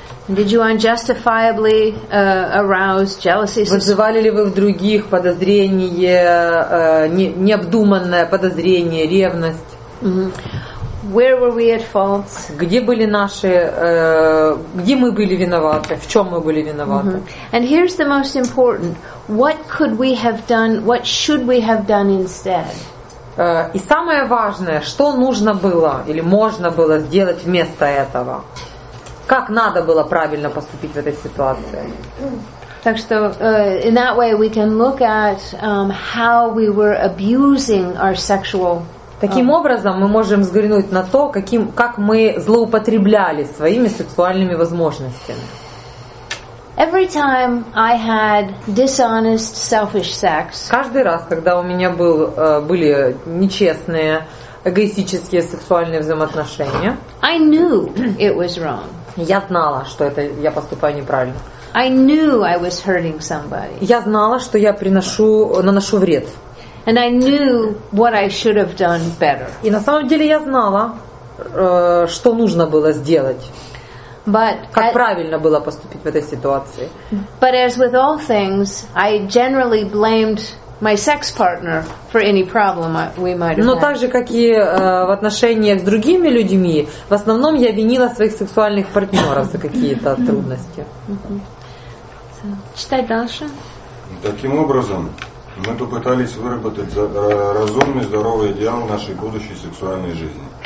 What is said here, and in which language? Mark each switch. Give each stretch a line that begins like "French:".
English: Did you unjustifiably arouse jealousy?
Russian: Вызывали ли вы в других подозрение, необдуманное подозрение, ревность?
English: Mm-hmm. Where were we at fault?
Russian: Где были наши, где мы были виноваты, в чем мы были виноваты? Mm-hmm.
English: And here's the most important. What could we have done, what should we have done instead?
Russian: И самое важное, что нужно было или можно было сделать вместо этого? Как надо было правильно поступить в этой ситуации? Так что
English: in that way we can look at how we were abusing our sexual.
Russian: Таким образом, мы можем взглянуть на то, каким, как мы злоупотребляли своими сексуальными возможностями.
English: Every time I had dishonest, selfish sex.
Russian: Каждый раз, когда у меня были нечестные, эгоистические сексуальные взаимоотношения,
English: I knew it was wrong.
Russian: Я знала, что это я поступаю неправильно.
English: I knew I was hurting somebody.
Russian: Я знала, что я наношу вред.
English: And I knew what I should have done better.
Russian: И на самом деле я знала, что нужно было сделать.
English: But
Russian: как правильно было поступить в этой ситуации.
English: But as with all things, I generally blamed my sex partner for any problem we might have.
Russian: Но так же, как и в отношениях с другими людьми, в основном я винила своих сексуальных партнеров за какие-то трудности. Читай дальше. Таким образом, мы тут пытались выработать разумный, здоровый идеал нашей будущей сексуальной жизни.